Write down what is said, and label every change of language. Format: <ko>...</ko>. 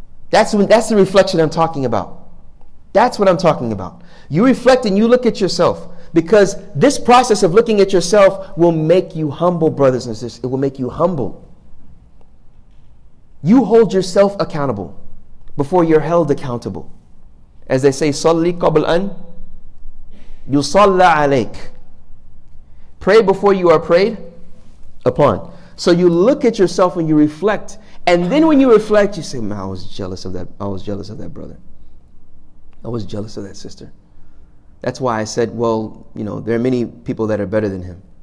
<en>That's the reflection I'm talking about. That's what I'm talking about. You reflect and you look at yourself, because this process of looking at yourself will make you humble, brothers and sisters. It will make you humble. You hold yourself accountable before you're held accountable. As they say,</en> <ar>صَلِّ قَبْلْ أَنْ يُصَلَّ عَلَيْكَ.</ar> <en>Pray before you are prayed upon. So you look at yourself and you reflect. And then when you reflect, you say, man, I was jealous of that brother. I was jealous of that sister. That's why I said, well, you know, there are many people that are better than him.</en>